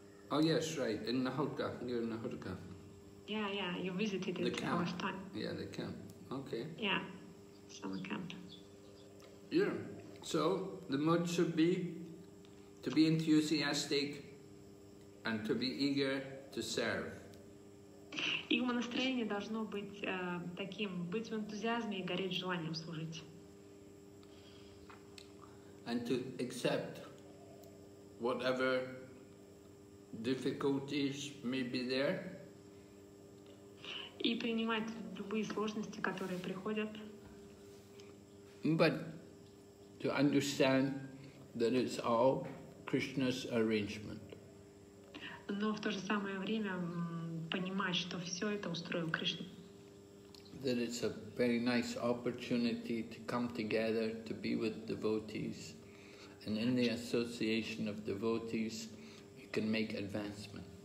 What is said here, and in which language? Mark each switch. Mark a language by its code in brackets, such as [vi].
[en] Oh yes, right, in Nahotka, near Nahotka. Yeah, yeah, you visited it the last time. Yeah, the camp. Okay. Yeah. Summer camp. Yeah. So the mood should be to be enthusiastic and to be eager to serve. [ru] И ума настроение должно быть таким, быть в энтузиазме и гореть желанием служить. [en] And to accept whatever difficulties may be there. [ru] И принимать любые сложности, которые приходят. [en] But to understand that it's all Krishna's arrangement. [ru] Но в то же самое время понимать, что все это устроил Кришна. [en] That it's a very nice opportunity to come together, to be with devotees, and in the association of devotees, you can make advancement.